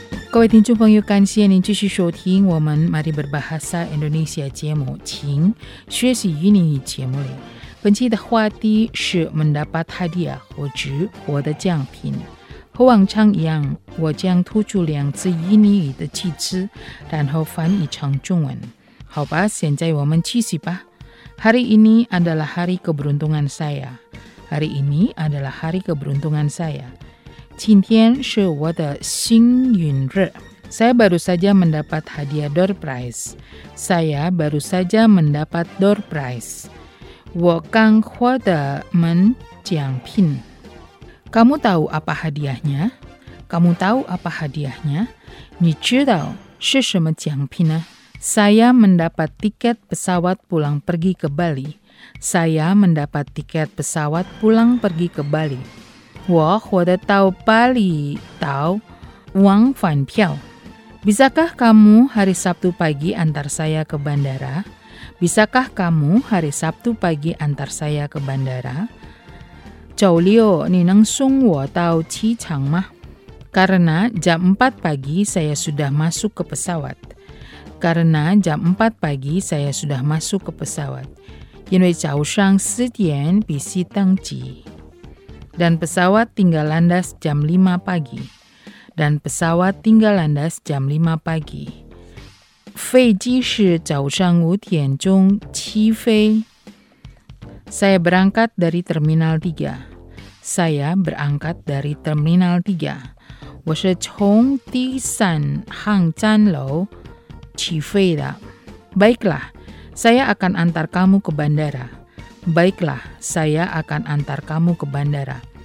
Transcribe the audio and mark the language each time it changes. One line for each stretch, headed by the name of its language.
Chinese: 各位听众朋友，感谢您继续收听我们 Mari Berbahasa Indonesia 节目，请学习与你节目里。本期的话题是
Indonesian: mendapat hadiah
Chinese: 或者获得奖品。和往常一样，我将吐出两字印尼语的句子，然后翻译成中文。好吧，现在我们继续吧。
Indonesian: Hari ini adalah hari keberuntungan saya. Hari ini adalah hari keberuntungan saya.
Chinese: 今天是我的幸运日。
Indonesian: Saya baru saja mendapat hadiah door prize. Saya baru saja mendapat door prize.
Chinese: 我刚获得门奖品。
Indonesian: Kamu tahu apa hadiahnya? Kamu tahu apa hadiahnya?
Chinese: 你知道是什么奖品呢？
Indonesian: Saya mendapat tiket pesawat pulang pergi ke Bali. Saya mendapat tiket pesawat pulang pergi ke Bali.
Chinese: 我获得到巴黎岛往返票。
Indonesian: Bisakah kamu hari Sabtu pagi antar saya ke bandara? Bisakah kamu hari Sabtu pagi antar saya ke bandara?
Chinese: 周六你能送我到机场吗？
Indonesian: Karena jam 4 pagi saya sudah masuk ke pesawat. Karena jam 4 pagi saya sudah masuk ke pesawat.
Chinese: 因为早上四点必须登机。
Indonesian: Dan pesawat tinggal landas jam 5 pagi. Dan pesawat tinggal landas jam 5 pagi.
Chinese: 飞机是早上五点钟起飞。
Indonesian: Saya berangkat dari terminal 3. Saya berangkat dari terminal 3.
Chinese: 我是从第三航站楼起飞的。
Indonesian: Baiklah, saya akan antar kamu ke bandara. Baiklah, saya akan antar kamu ke bandara.